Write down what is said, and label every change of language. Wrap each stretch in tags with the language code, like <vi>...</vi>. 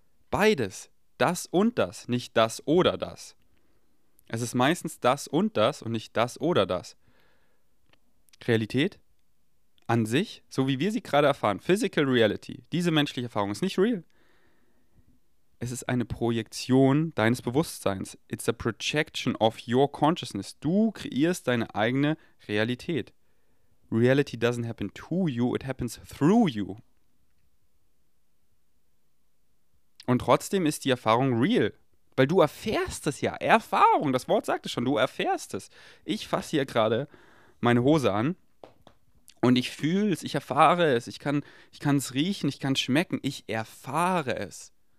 <de>Beides, das und das, nicht das oder das. Es ist meistens das und das und nicht das oder das. Realität an sich, so wie wir sie gerade erfahren, Physical Reality, diese menschliche Erfahrung ist nicht real. Es ist eine Projektion deines Bewusstseins.</de> <en>It's a projection of your consciousness.</en> <de>Du kreierst deine eigene Realität.</de> <en>Reality doesn't happen to you, it happens through you.</en> <de>Und trotzdem ist die Erfahrung real, weil du erfährst es ja. Erfahrung, das Wort sagt es schon, du erfährst es. Ich fasse hier gerade meine Hose an und ich fühle es, ich erfahre es, ich kann es riechen, ich kann es schmecken, ich erfahre es.</de>